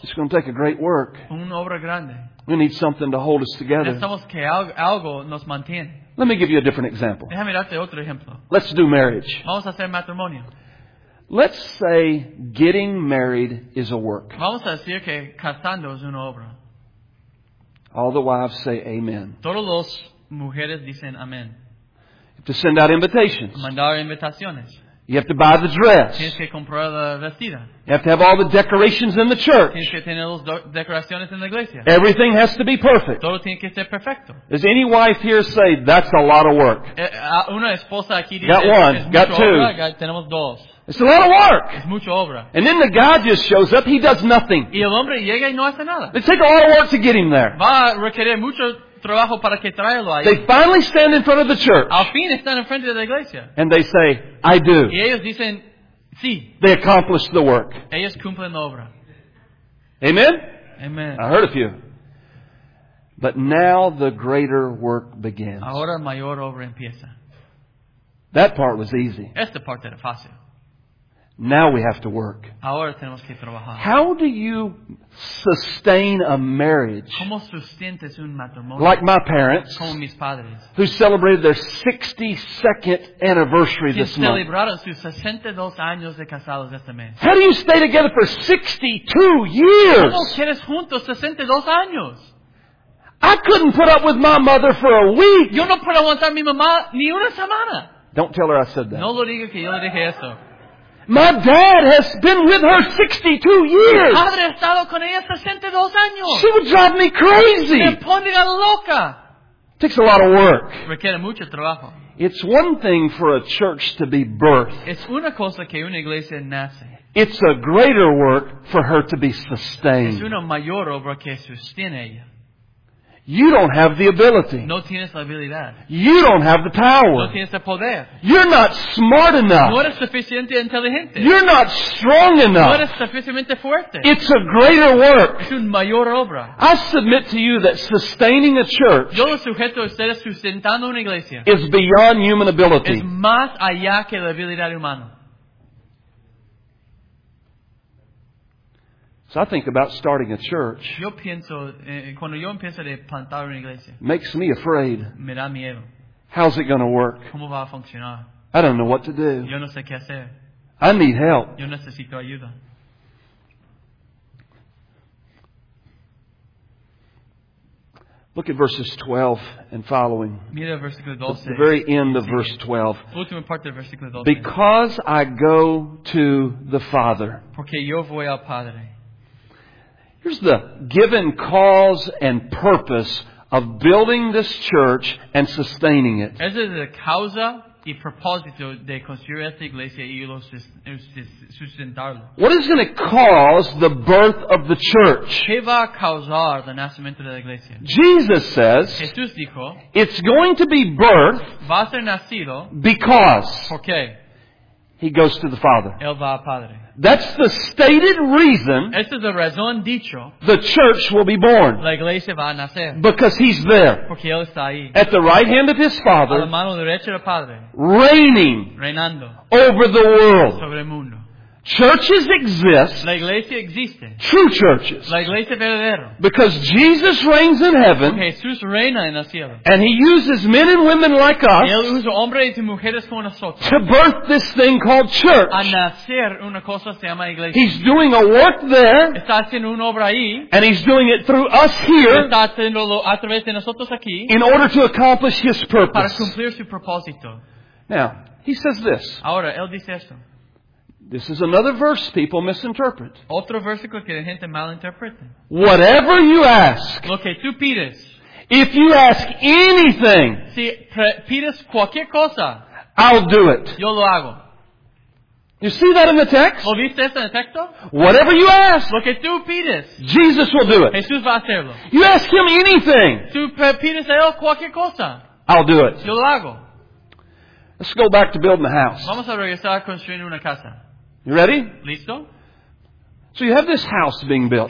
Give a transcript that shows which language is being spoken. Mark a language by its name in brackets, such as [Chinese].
[English] It's going to take a great work. [Spanish] Una obra grande. [English] We need something to hold us together. [Spanish] Necesitamos que algo nos mantiene. [English] Let me give you a different example. [Spanish] Déjame darte otro ejemplo. [English] Let's do marriage. [Spanish] Vamos a hacer matrimonio. [English] Let's say getting married is a work. [Spanish] Vamos a decir que casando es una obra. [English] All the wives say amen. [Spanish] Todas las mujeres dicen amen. [English] You have to send out invitations. [Spanish] Mandar invitaciones. [English] You have to buy the dress. [Spanish] Tienes que comprar la vestida. [English] You have to have all the decorations in the church. [Spanish] Tienes que tener las decoraciones en la iglesia. [English] Everything has to be perfect. [Spanish] Todo tiene que ser perfecto. [English] Does any wife here say that's a lot of work? [Spanish] Una esposa aquí dice, [English] got one, got two. [Spanish] Tenemos dos. [English] It's a lot of work. [Spanish] Es mucho obra. [English] And then the guy just shows up, he does nothing. [Spanish] Y el hombre llega y no hace nada. [English] It takes a lot of work to get him there. [Spanish] Va a requerir mucho trabajo para que traerlo ahí. [English] They finally stand in front of the church. [Spanish] Al fin están en frente de la iglesia. [English] And they say, I do. [Spanish] Y ellos dicen, sí. [English] They accomplish the work. [Spanish] Ellos cumplen la obra. [English] Amen? [Spanish] Amen. [English] I heard a few. But now the greater work begins. [Spanish] Ahora mayor obra empieza. [English] That part was easy. [Spanish] Esta parte era fácil. [English] Now we have to work. [Spanish] Ahora tenemos que trabajar. [English] How do you sustain a marriage? [Spanish] ¿Cómo sustentas un matrimonio? [English] Like my parents, [Spanish] como mis padres, [English] who celebrated their 62nd anniversary this month. [Spanish] Celebraron sus 62 años de casados este mes. [English] How do you stay together for 62 years? [Spanish] ¿Cómo quedas juntos 62 años? [English] I couldn't put up with my mother for a week. [Spanish] Yo no puedo aguantar mi mamá ni una semana. [English] Don't tell her I said that. [Spanish] No lo diga que yo le dije eso. [English] My dad has been with her 62 years. [Spanish] Mi padre ha estado con ella 62 años. [English] She would drive me crazy. [Spanish] Me pone la loca. [English] Takes a lot of work. [Spanish] Requiere mucho trabajo. [English] It's one thing for a church to be birthed. [Spanish] Es una cosa que una iglesia nace. [English] It's a greater work for her to be sustained. [Spanish] Es una mayor obra que sostiene ella. [English] You don't have the ability. [Spanish] No tienes la habilidad. [English] You don't have the power. [Spanish] No tienes el poder. [English] You're not smart enough. [Spanish] No eres suficiente inteligente. [English] You're not strong enough. [Spanish] No eres suficientemente fuerte. [English] It's a greater work. [Spanish] Es una mayor obra. [English] I submit to you that sustaining a church [Spanish] Yo lo sujeto a ustedes sustentando una iglesia [English] is beyond human ability. [Spanish] Es más allá que la habilidad humana. [English] So I think about starting a church. [Spanish] Yo pienso, cuando yo empiezo de plantar una iglesia, [English] makes me afraid. [Spanish] Me da miedo. [English] How's it going to work? [Spanish] ¿Cómo va a funcionar? [English] I don't know what to do. [Spanish] Yo no sé qué hacer. [English] I need help. [Spanish] Yo necesito ayuda. [English] Look at verses 12 and following. [Spanish] Mira el versículo 12. [English] The very end of verse 12. [Spanish] Última parte del versículo 12. [English] Because I go to the Father. [Spanish] Porque yo voy al Padre. [English] Here's the given cause and purpose of building this church and sustaining it. [Spanish] Esa es la causa y propósito de construir esta iglesia y sustentarla. [English] What is going to cause the birth of the church? [Spanish] ¿Qué va a causar el nacimiento de la iglesia? [English] Jesus says, [Spanish] Jesús dijo, [English] it's going to be birth [Spanish] va a ser nacido [English] because [Spanish] ¿Por qué? [English] He goes to the Father. [Spanish] Él va al Padre. [English] That's the stated reason [Spanish] Esta es la razón dicho, [English] the church will be born. [Spanish] La iglesia va a nacer. [English] Because he's there. [Spanish] Porque él está ahí. [English] At the right hand of his Father. [Spanish] A la mano derecha del Padre. [English] Reigning. [Spanish] Reinando. [English] Over the world. [Spanish] Sobre el mundo. [English] Churches exist. [Spanish] La iglesia existe. [English] True churches. [Spanish] La iglesia verdadera. [English] Because Jesus reigns in heaven. [Spanish] Porque Jesús reina en el cielo. [English] And he uses men and women like us. [Spanish] Y él usa hombres y mujeres como nosotros. [English] To birth this thing called church. [Spanish] A nacer una cosa que se llama iglesia. [English] He's doing a work there. [Spanish] Está haciendo una obra ahí. [English] And he's doing it through us here. [Spanish] Está haciéndolo a través de nosotros aquí. [English] In order to accomplish his purpose. [Spanish] Para cumplir su propósito. [English] Now, he says this. [Spanish] Ahora, él dice esto. [English] This is another verse people misinterpret. [Spanish] Otro versículo que la gente malinterpreta. [English] Whatever you ask. [Spanish] Lo que tú pides. [English] If you ask anything. [Spanish] Si pides cualquier cosa. [English] I'll do it. [Spanish] Yo lo hago. [English] You see that in the text? [Spanish] ¿Lo viste eso en el texto? [English] Whatever you ask. [Spanish] Lo que tú pides. [English] Jesus will do it. [Spanish] Jesús va a hacerlo. [English] You ask him anything. [Spanish] Tú pides a él cualquier cosa. [English] I'll do it. [Spanish] Yo lo hago. [English] Let's go back to building the house. [Spanish] Vamos a regresar a construir una casa. [English] You ready? [Spanish] Listo. [English] So you have this house being built.